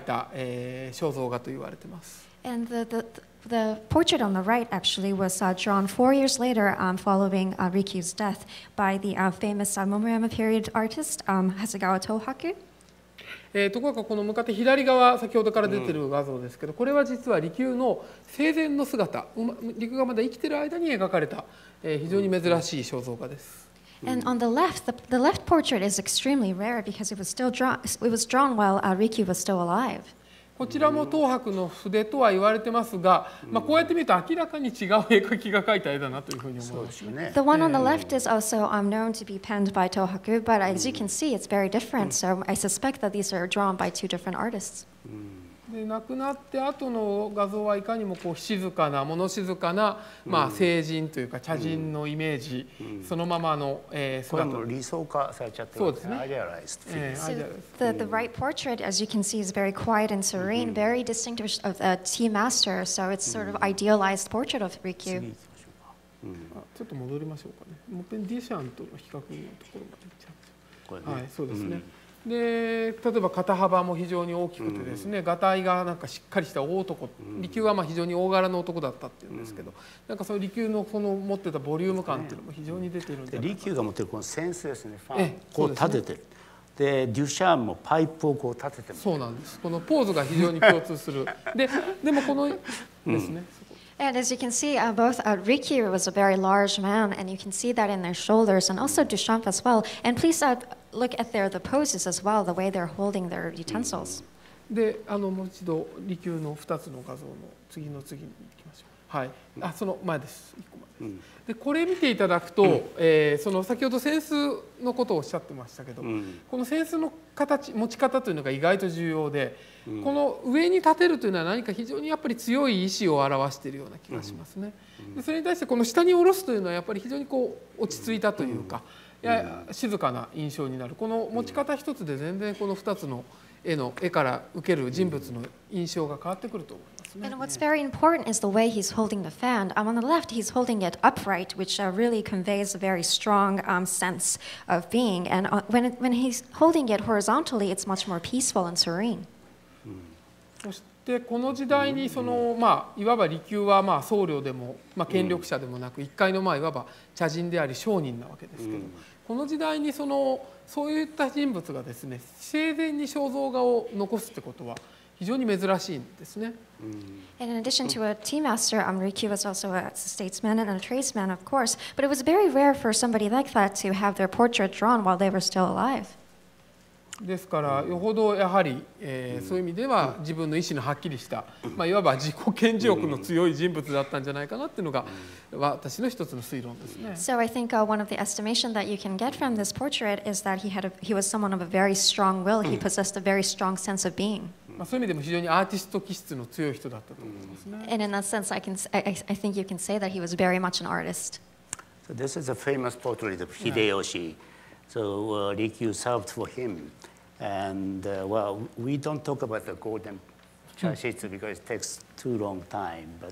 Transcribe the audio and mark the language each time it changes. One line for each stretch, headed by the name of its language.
Japanese: これはリキューが亡くなって4年後に、有名な桃山時代の絵描きである長谷川東博が、リキューの面影を忍んで描いた肖像画と言われています。
English: And the portrait on the right actually was drawn 4 years later following Rikyu's death by the famous Momoyama period artist Hasegawa Tohaku.
Japanese: ところがこの向かって左側、先ほどから出てる画像ですけど、これは実は利休の生前の姿、利休がまだ生きてる間に描かれた、非常に珍しい肖像画です。
English: And on the left, the left portrait is extremely rare because it was drawn while Rikyu was still alive.
Japanese: こちらも東博の筆とは言われてますが、まあ、こうやって見ると明らかに違う絵描きが描いた絵だなというふうに思います。そうですね。
English: The one on the left is also known to be penned by Tohaku, but as you can see, it's very different. So I suspect that these are drawn by two different artists.
Japanese: で、亡くなって後の画像はいかにもこう静かな、物静かな、まあ、聖人というか茶人のイメージ、そのままの、姿。これも理想化されちゃってますね。そうですね。アイデアライズ。
English: The right portrait, as you can see, is very quiet and serene, very distinguished of the tea master, so it's sort of idealized portrait of Rikyu.
Japanese: 次行きましょうか。ちょっと戻りましょうかね。もう一回ディシャンとの比較のところまで行っちゃう。これね。はい、そうですね。で例えば肩幅も非常に大きくてですね、がたいがなんかしっかりした大男、利休はまあ非常に大柄の男だったっていうんですけど、なんかその利休のこの持ってたボリューム感っていうのも非常に出てるんじゃないか利休が持ってるこのセンスですね、ファン、こう立ててる。でデュシャンもパイプをこう立ててる。そうなんです。このポーズが非常に共通する。でもこのですね。
English: And as you can see, both Rikyu was a very large man, and you can see that in their shoulders, and also Duchamp as well. And please look at their the poses as well, the way they're holding their utensils.
Japanese: で、もう一度利休の2つの画像の次の次に行きましょう。はい。あ、その前です。1個前です。で、これ見ていただくと、その先ほど扇子のことをおっしゃってましたけど、この扇子の形、持ち方というのが意外と重要で、この上に立てるというのは何か非常にやっぱり強い意志を表しているような気がしますね。でそれに対してこの下に下ろすというのはやっぱり非常にこう落ち着いたというか、やや静かな印象になる。この持ち方一つで全然この2つの絵から受ける人物の印象が変わってくると思います。
English: And what's very important is the way he's holding the fan. On the left, he's holding it upright, which really conveys a very strong sense of being. And when he's holding it horizontally, it's much more peaceful and serene.
Japanese: そしてこの時代にその、まあ、いわば利休はまあ僧侶でも、まあ、権力者でもなく、一介のまあいわば茶人であり商人なわけですけど、この時代にそういった人物がですね、生前に肖像画を残すってことは非常に珍しいんですね。
English: And in addition to a tea master, Rikyu was also a statesman and a tradesman, of course. But it was very rare for somebody like that to have their portrait drawn while they were still alive.
Japanese: ですから、よほどやはり、そういう意味では自分の意思のはっきりした、まあ、いわば自己顕示欲の強い人物だったんじゃないかなっていうのが私の一つの推論ですね。
English: So I think one of the estimation that you can get from this portrait is that he was someone of a very strong will. He possessed a very strong sense of being.
Japanese: まあ、そういう意味でも非常にアーティスト気質の強い人だったと思いますね。
English: And in that sense, I think you can say that he was very much an artist. So this is a famous portrait of Hideyoshi. So Rikyu served for him. And well, we don't talk about the golden chashitsu because it takes too long time.